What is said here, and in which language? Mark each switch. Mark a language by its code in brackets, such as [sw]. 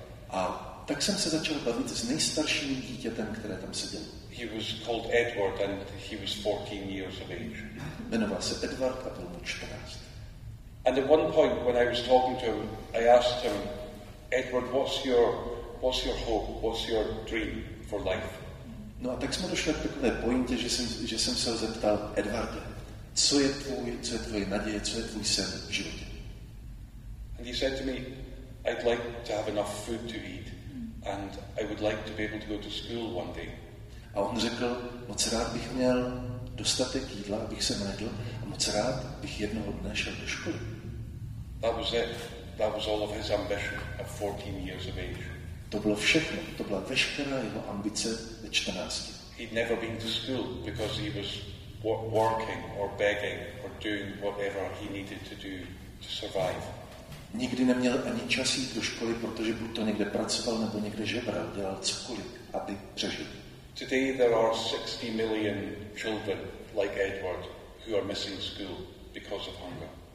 [cs] A tak jsem se začal bavit s nejstarším dítětem, které tam sedělo. [en] He was called Edward and he was 14 years of age. [cs] Jmenoval se Edward a byl mu 14. [en] And at one point when I was talking to him, I asked him, Edward, what's your hope, what's your dream for life? [cs] No a tak jsme došli k takové pointě, že jsem se ho zeptal, Edvarde, co je tvoje naděje, co je tvůj sen v životě? [en] And he said to me, I'd like to have enough food to eat and I would like to be able to go to school one day. [cs] A on řekl, moc rád bych měl dostatek jídla, abych se najedl a moc rád bych jednoho dne šel do školy. [en] That was it. That was all of his ambition at 14 years of age. [cs] To bylo všechno, to byla veškerá jeho ambice ve 14. [en] He'd never been to school because he was working or begging or doing whatever he needed to do to survive. [cs] Nikdy neměl ani čas jít do školy, protože buď to někde pracoval nebo někde žebral, dělal cokoliv, aby přežil. [en] Today there are 60 million children like Edward who are missing school because of hunger.